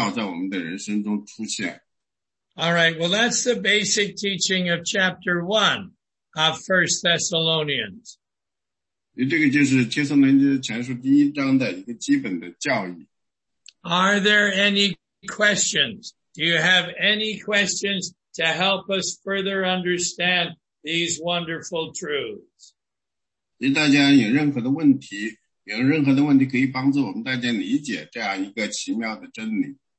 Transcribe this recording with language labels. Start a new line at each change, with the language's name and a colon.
Chinese: 所以主呢饶恕了我们应该得到的惩罚,但是我们的生活中呢,他允许那样的管教在我们的人生中出现。
English: All right, well, that's the basic teaching of chapter 1 of 1 Thessalonians.
Chinese: 这个就是帖撒罗尼迦前书第一章的一个基本的教义。
English: Are there any questions? Do you have any questions to help us further understand these wonderful truths?
Chinese: 大家有任何的问题可以帮助我们大家理解这样一个奇妙的真理。